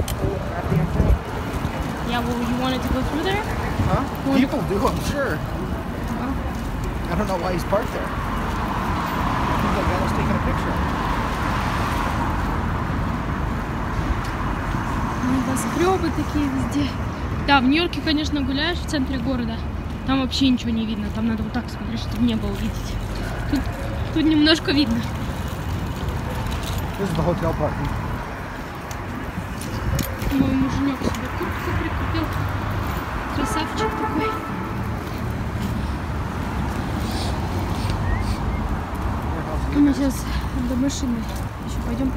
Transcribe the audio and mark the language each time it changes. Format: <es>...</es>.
<en>Yeah? Yeah, well, you wanted to go through there? Huh? People do, I'm sure. I don't know why he's parked there. I think that guy was taking a picture.</en> <ru>Небоскребы такие везде. Да, в Нью-Йорке, конечно, гуляешь в центре города. Там вообще ничего не видно. Там надо вот так смотреть, чтобы небо увидеть. Тут немножко видно.</ru> <en>This is the hotel parking.</en> <ru>Мой муженек себе куртку прикупил. Красавчик такой. Мы сейчас до машины еще пойдем.</ru>